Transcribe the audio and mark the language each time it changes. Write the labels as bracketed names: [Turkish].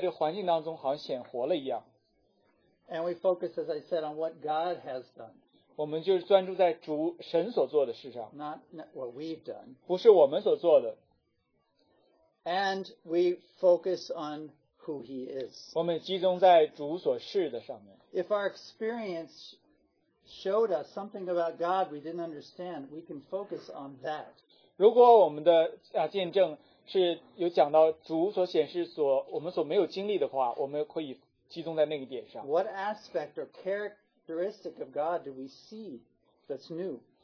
[Chinese] 尤其是一个活的话语，他的话语在这个环境当中好像显活了一样。 [English] And we focus, as I said, on what God has done. [Chinese] 我们就是专注在主神所做的事上。 [English] Not what we've done. [Chinese] 不是我们所做的。 [English] And we focus on who He is. [Chinese] 我们集中在主所事的上面。 [English] If our experience showed us something about God we didn't understand, we can focus on that. [Chinese] 如果我们的见证 是有讲到主所显示所我们所没有经历的话，我们可以集中在那个点上。 [English] What aspect or characteristic of God do we see that's new?